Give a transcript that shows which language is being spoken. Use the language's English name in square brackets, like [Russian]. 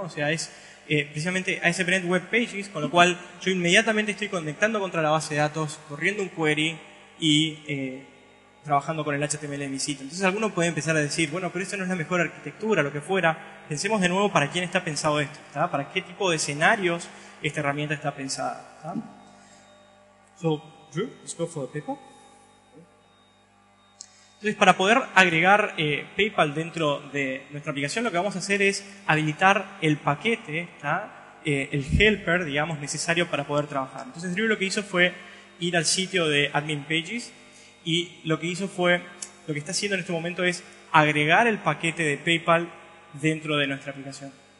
[Spanish] O sea, es precisamente ASP.NET Web Pages, con lo cual yo inmediatamente estoy conectando contra la base de datos, corriendo un query y trabajando con el HTML de mi sitio. Entonces, alguno puede empezar a decir, bueno, pero esto no es la mejor arquitectura, lo que fuera. Pensemos de nuevo para quién está pensado esto, ¿tá? ¿Para qué tipo de escenarios esta herramienta está pensada? ¿Tá? [English] So, Drew, let's go for the paper. [Spanish] Entonces, para poder agregar PayPal dentro de nuestra aplicación, lo que vamos a hacer es habilitar el paquete, el helper, digamos, necesario para poder trabajar. Entonces, Drew lo que hizo fue ir al sitio de Admin Pages y lo que está haciendo en este momento es agregar el paquete de PayPal dentro de nuestra aplicación.